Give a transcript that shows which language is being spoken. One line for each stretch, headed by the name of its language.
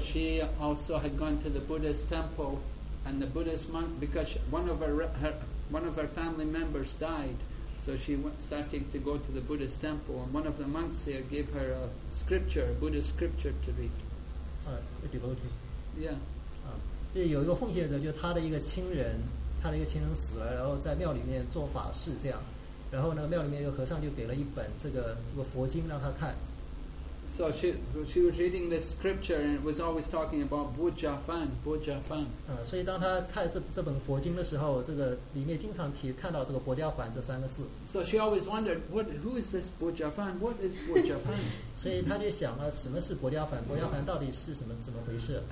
English: She also had gone to the Buddhist temple, and the Buddhist monk, because one of her family members died. So she went starting to go to the Buddhist temple, and one of the monks there gave her a scripture, a Buddhist scripture to read. A devotee. Yeah.
Chinese: 就有一个奉献者，就他的一个亲人死了，然后在庙里面做法事这样，然后呢，庙里面一个和尚就给了一本这个佛经让他看。
English: So she was reading this scripture and was always talking about Bhojja Fan, Bhojja Fan.
Chinese: 所以当她看这本佛经的时候，这个里面经常看到这个Bhojja Fan这三个字。
English: So she always wondered, who is this Bhojja Fan? What is Bhojja Fan?
Chinese: 所以她就想了，什么是Bhojja Fan? Bhojja Fan 到底是什么怎么回事？